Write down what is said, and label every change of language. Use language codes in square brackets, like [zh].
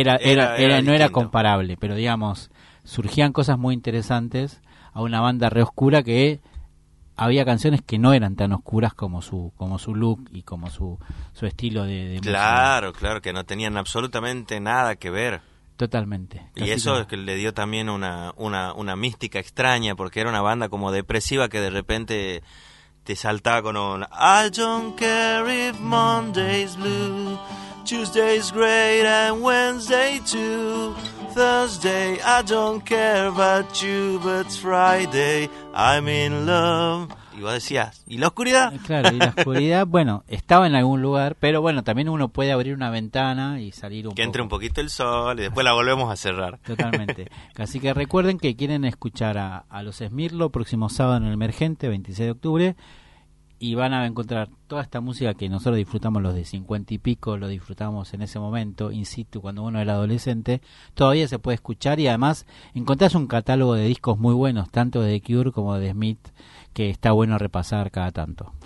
[es] Era no era comparable, pero digamos, surgían cosas muy interesantes a una banda re oscura que había canciones que no eran tan oscuras como su look y como su estilo de música. Claro, claro, que no tenían absolutamente nada que ver. Totalmente. Y eso es que le dio también una mística extraña, porque era una banda como depresiva que de repente... Te saltaba con un [en] I don't care if Monday's blue, Tuesday's great and Wednesday too, Thursday I don't care about you, but Friday I'm in love. [es] Y vos decías, ¿y la oscuridad? Claro, y la oscuridad, bueno, estaba en algún lugar, pero bueno, también uno puede abrir una ventana y salir un poco. Que entre un poquito el sol y después la volvemos a cerrar. Totalmente. Así que recuerden que quieren escuchar a los Smirlos próximo sábado en el Emergente, 26 de octubre, y van a encontrar toda esta música que nosotros disfrutamos, los de 50 y pico, lo disfrutamos en ese momento, in situ, cuando uno era adolescente, todavía se puede escuchar, y además encontrás un catálogo de discos muy buenos, tanto de The Cure como de Smith, que está bueno repasar cada tanto.